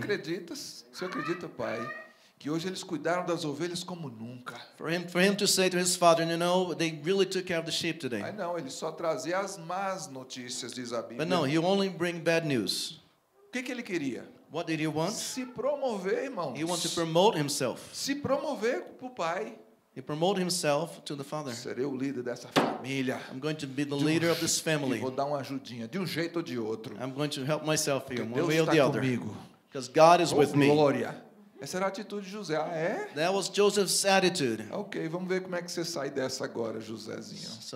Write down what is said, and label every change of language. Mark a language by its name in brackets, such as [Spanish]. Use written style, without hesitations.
[Portuguese] Você acredita, pai? Que hoje eles cuidaram das ovelhas como nunca. [English] For him to say to his father, you know, they really took care of the sheep today. [Portuguese] Ah, não, ele só trazia as más notícias, diz a Bíblia. [English] But no, he only bring bad news. [Portuguese] O que que ele queria? [English] What did he want? [Portuguese] Se promover, irmãos. [English] He wanted to promote himself. [Portuguese] Se promover pro pai. [English] He promoted himself to the father. [Portuguese] Serei o líder dessa família. [English] I'm going to be the leader of this family. [Portuguese] Vou dar uma ajudinha, de um jeito ou de outro. [English] I'm going to help myself here, one way or the other. Because God is with me. [Portuguese] Glória. Essa era a atitude de José. Ah, é? [English] That was Joseph's attitude. [Portuguese] Ok, vamos ver como é que você sai dessa agora, Josézinho.